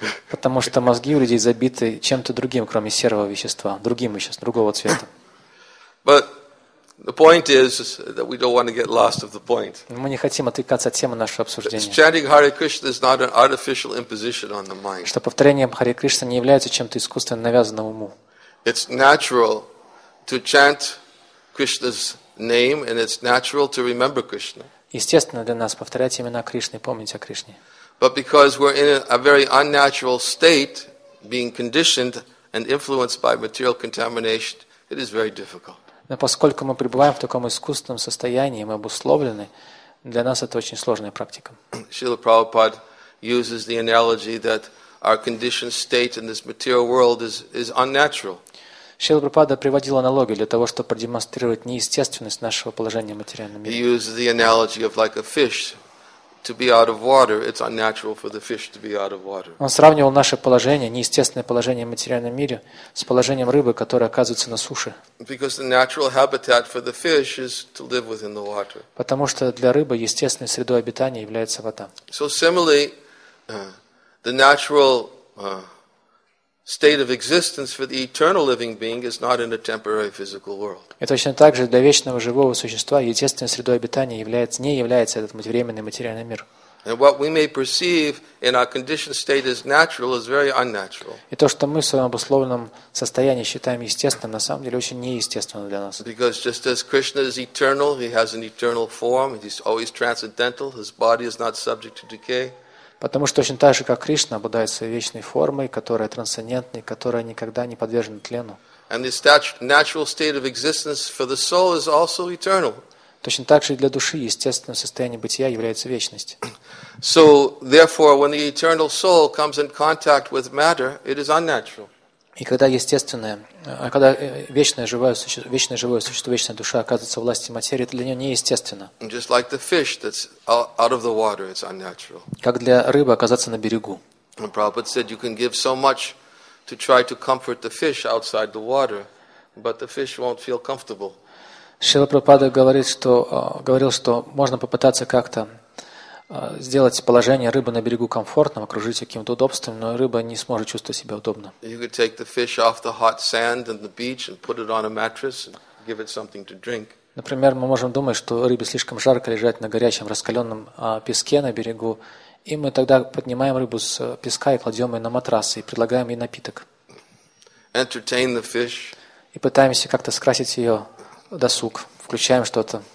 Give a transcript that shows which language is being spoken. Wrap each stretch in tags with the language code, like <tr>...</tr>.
<ru>Потому что мозги у людей забиты чем-то другим, кроме серого вещества, другим веществом, другого цвета.</ru> <en>But the point is that we don't want to get lost of the point.</en> <ru>Мы не хотим отвлекаться от темы нашего обсуждения.</ru> <en>Chanting Hare Krishna is not an artificial imposition on the mind.</en> <ru>Что повторение Харе Кришна не является чем-то искусственно навязанным уму.</ru> <en>It's natural to chant Krishna's name, and it's natural to remember Krishna.</en> <ru>Естественно для нас повторять имена Кришны, помнить о Кришне.</ru> <en>But because we're in a very unnatural state, being conditioned and influenced by material contamination, it is very difficult.</en> <ru>Но поскольку мы пребываем в таком искусственном состоянии, мы обусловлены, для нас это очень сложная практика.</ru> <en>Шрила Прабхупад uses the analogy that our conditioned state in this material world is unnatural.</en> <ru>Шрила Прабхупада приводил аналогию для того, чтобы продемонстрировать неестественность нашего положения в материальном мире.</ru> <en>He uses the analogy of like a fish to be out of water. It's unnatural for the fish to be out of water.</en> <ru>Он сравнивал наше положение, неестественное положение в материальном мире, с положением рыбы, которая оказывается на суше.</ru> <en>Because the natural habitat for the fish is to live within the water.</en> <ru>Потому что для рыбы естественной средой обитания является вода.</ru> <en>So similarly, the natural state of existence for the eternal living being is not in a temporary physical world.</en> <ru>И точно так же для вечного живого существа естественной средой обитания является, не является этот временный материальный мир.</ru> <en>And what we may perceive in our conditioned state as natural is very unnatural.</en> <ru>И то, что мы в своем обусловленном состоянии считаем естественным, на самом деле очень неестественно для нас.</ru> <en>Because just as Krishna is eternal, he has an eternal form, he's always transcendental, his body is not subject to decay.</en> <ru>Потому что точно так же, как Кришна, обладает своей вечной формой, которая трансцендентна, которая никогда не подвержена тлену.</ru> <en>And this natural state of existence for the soul is also eternal.</en> <ru>Точно так же и для души естественное состояние бытия является вечность.</ru> <en>So therefore, when the eternal soul comes in contact with matter, it is unnatural.</en> <ru>И когда естественное, когда вечное живое существо, вечная душа оказывается в власти материи, это для нее неестественно.</ru> <en>Just like the fish that's out of the water, it's unnatural.</en> <ru>Как для рыбы оказаться на берегу.</ru> <en>And Prabhupada said, you can give so much to try to comfort the fish outside the water, but the fish won't feel comfortable.</en> <ru>Шрила Прабхупада говорил, что можно попытаться как-то сделать положение рыбы на берегу комфортным, окружить каким-то удобством, но рыба не сможет чувствовать себя удобно.</ru> <en>You could take the fish off the hot sand and the beach and put it on a mattress and give it something to drink.</en> <ru>Например, мы можем думать, что рыбе слишком жарко лежать на горячем раскаленном песке на берегу, и мы тогда поднимаем рыбу с песка и кладем ее на матрас и предлагаем ей напиток.</ru> <en>Entertain the fish.</en> <ru>И пытаемся как-то скрасить ее досуг, включаем что-то.</ru>